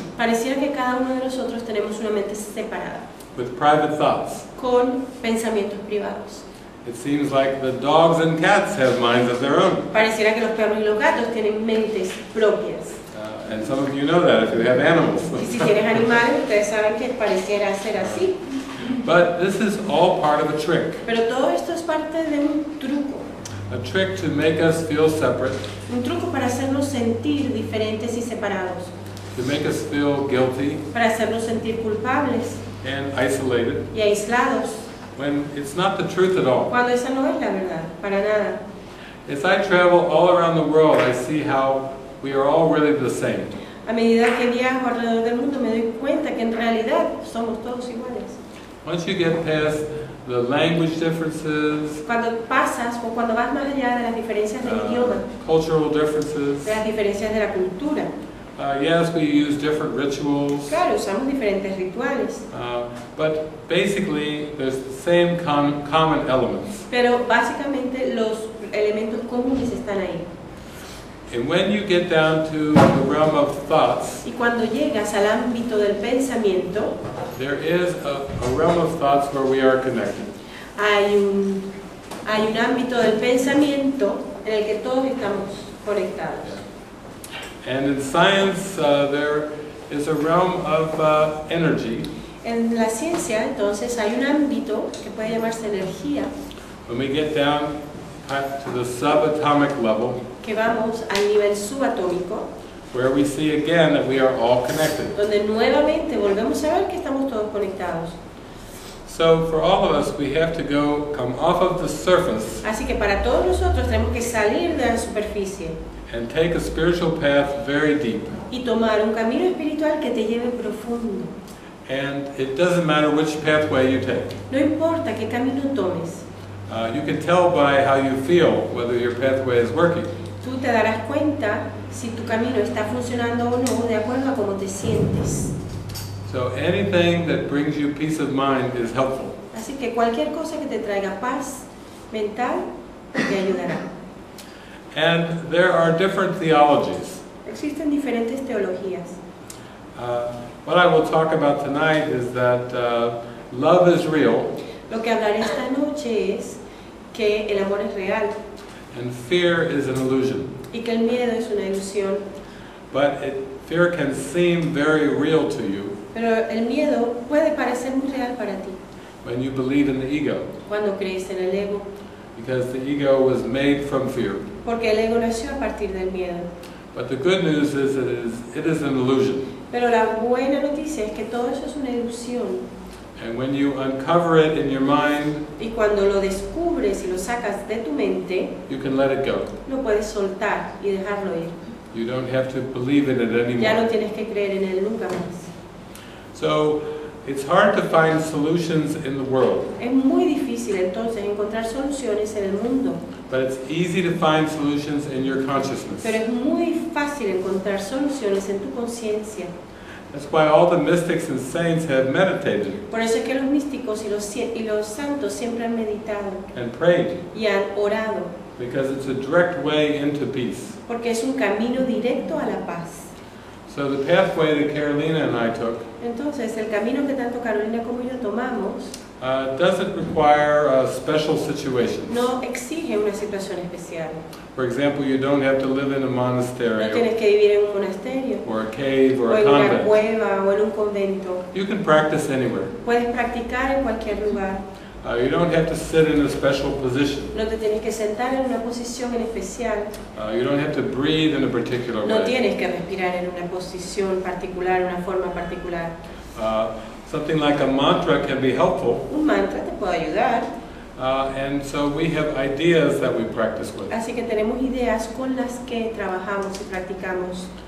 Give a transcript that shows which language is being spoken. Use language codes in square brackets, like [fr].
[es] Pareciera que cada uno de nosotros tenemos una mente separada. [en] With private thoughts. [es] Con pensamientos privados. [en] It seems like the dogs and cats have minds of their own. [es] Pareciera que los perros y los gatos tienen mentes propias. [en] And some of you know that if you have animals. [es] Y si tienes animales, ustedes saben que pareciera ser así. [en] But this is all part of a trick. [es] Pero todo esto es parte de un truco. [en] A trick to make us feel separate. [es] Un truco para hacernos sentir diferentes y separados. [en] To make us feel guilty. [es] Para hacernos sentir culpables. [en] And isolated. [es] Y aislados. [en] When it's not the truth at all. [es] Cuando esa no es la verdad, para nada. [en] As I travel all around the world, I see how we are all really the same. [es] A medida que viajo alrededor del mundo, me doy cuenta que en realidad somos todos iguales. [en] Once you get past the language differences, [es] cuando pasas o cuando vas más allá de las diferencias del idioma, [en] cultural differences, [es] de las diferencias de la cultura, [en] yes, we use different rituals, [es] claro, usamos diferentes rituales, [en] but basically there's the same common elements. [es] Pero básicamente los elementos comunes están ahí. [en] And when you get down to the realm of thoughts, [es] y cuando llegas al ámbito del pensamiento, [en] there is a realm of thoughts where we are connected. [es] Hay un ámbito del pensamiento en el que todos estamos conectados. [en] And in science, there is a realm of energy. [es] En la ciencia, entonces, hay un ámbito que puede llamarse energía. [en] When we get down to the subatomic level, [es] que vamos al nivel subatómico, [en] where we see again that we are all connected. [es] Donde nuevamente volvemos a ver que estamos todos conectados. [en] So for all of us, we have to come off of the surface. [es] Así que para todos nosotros tenemos que salir de la superficie. [en] And take a spiritual path very deep. [es] Y tomar un camino espiritual que te lleve profundo. [en] And it doesn't matter which pathway you take. [es] No importa qué camino tomes. [en] You can tell by how you feel whether your pathway is working. [es] Tú te darás cuenta si tu camino está funcionando o no de acuerdo a cómo te sientes. [en] So anything that brings you peace of mind is helpful. [es] Así que cualquier cosa que te traiga paz mental te ayudará. [en] And there are different theologies. [es] Existen diferentes teologías. [en] What I will talk about tonight is that love is real. [es] Lo que hablaré esta noche es que el amor es real. [en] And fear is an illusion. [es] Y que el miedo es una ilusión. [en] But fear can seem very real to you. [es] Pero el miedo puede parecer muy real para ti. [en] When you believe in the ego. [es] Cuando crees en el ego. [en] Because the ego was made from fear. [es] Porque el ego nació a partir del miedo. [en] But the good news is it is an illusion. [es] Pero la buena noticia es que todo eso es una ilusión. [en] And when you uncover it in your mind, [es] y cuando lo descubres y lo sacas de tu mente, [en] you can let it go. [es] Lo puedes soltar y dejarlo ir. [en] You don't have to believe in it anymore. [es] Ya no tienes que creer en él nunca más. [en] So, it's hard to find solutions in the world. [es] Es muy difícil entonces encontrar soluciones en el mundo. [en] But it's easy to find solutions in your consciousness. [es] Pero es muy fácil encontrar soluciones en tu conciencia. [en] That's why all the mystics and saints have meditated. [es] Por eso es que los místicos y los santos siempre han meditado. [en] And prayed. [es] Y han orado. [en] Because it's a direct way into peace. [es] Porque es un camino directo a la paz. [en] So the pathway that Carolina and I took. [es] Entonces, el camino que tanto Carolina como yo tomamos. [en] Doesn't require special situations. [es] No exige una situación especial. [en] For example, you don't have to live in a monastery. [es] No tienes que vivir en un monasterio. [en] Or a cave or [es] o [en] a convent. [es] En una cueva o en un convento. [en] You can practice anywhere. [es] Puedes practicar en cualquier lugar. [en] You don't have to sit in a special position. [es] No te tienes que sentar en una posición en especial. [en] You don't have to breathe in a particular [es] no [en] way. [es] No tienes que respirar en una posición particular, una forma particular. [en] Something like a mantra can be helpful. [es] Un mantra te puede ayudar. [en] And so we have ideas that we practice with. [es] Así que tenemos ideas con las que trabajamos y practicamos.